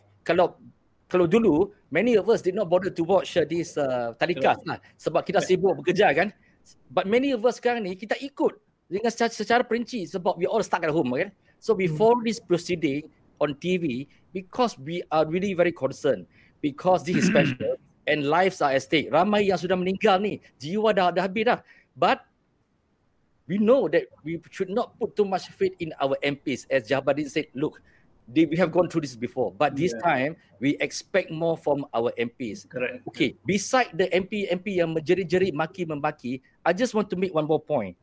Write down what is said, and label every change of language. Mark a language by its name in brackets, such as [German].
[Malay] Kalau dulu, [English] many of us did not bother to watch this tadika's lah. [Malay] Sebab kita sibuk bekerja, kan? [English] But many of us [Malay] sekarang ni, kita ikut dengan secara perinci sebab [English] we all stuck at home, [Malay] kan? [English] So before this proceeding on TV, because we are really very concerned, because this is special and lives are at stake. [Malay] Ramai yang sudah meninggal ni, jiwa dah habis dah. [English] But we know that we should not put too much faith in our MPs. As Jahabadin said, look, we have gone through this before. But this time, we expect more from our MPs. Correct. Okay, beside the MP-MP [Malay] yang menjerit-jerit maki-memaki, [English] I just want to make one more point.